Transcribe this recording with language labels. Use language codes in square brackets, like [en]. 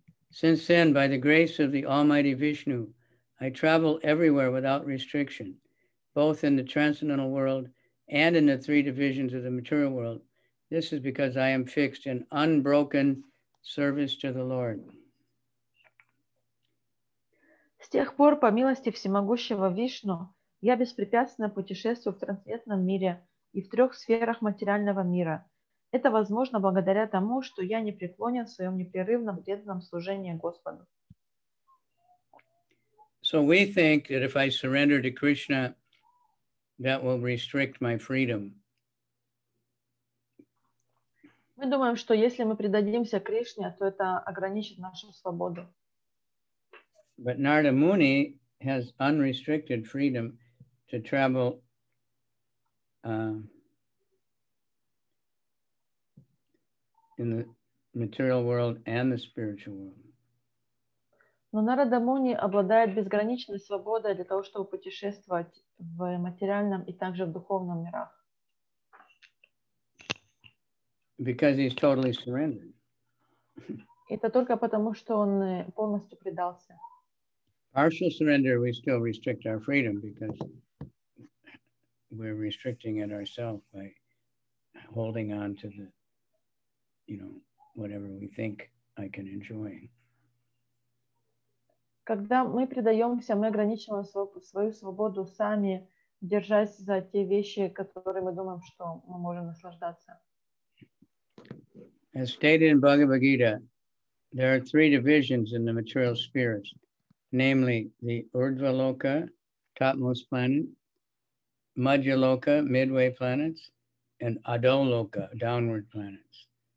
[en] Since then, by the grace of the Almighty Vishnu, I travel everywhere without restriction, both in the transcendental world and in the three divisions of the material world. This is because I am fixed in unbroken service to the Lord. [ru] С тех пор, по милости всемогущего Вишну, я беспрепятственно путешествую в трансцендентном мире и в трех сферах материального мира. Это возможно благодаря тому, что я непреклонен в своем непрерывном преданном служении Господу. [en] So we think that if I surrender to Krishna, that will restrict my freedom. [ru] Мы думаем, что если мы предадимся Кришне, то это ограничит нашу свободу. [en] But Narada Muni has unrestricted freedom to travel in the material world and the spiritual world. [ru] Но Нарада Муни обладает безграничной свободой для того, чтобы путешествовать в материальном и также в духовном мирах. [en] Because he's totally surrendered. [ru] Это только потому, что он полностью предался. [en] Partial surrender, we still restrict our freedom because we're restricting it ourselves by holding on to the, you know, whatever we think I can enjoy. [ru] Когда мы предаемся, мы ограничиваем свою свободу сами, держась за те вещи, которые мы думаем, что мы можем наслаждаться. [en] As stated in Bhagavad Gita, there are three divisions in the material spheres, namely the Urdhva Loka, topmost planet, Madhyaloka, midway planets, and Adholoka, downward planets.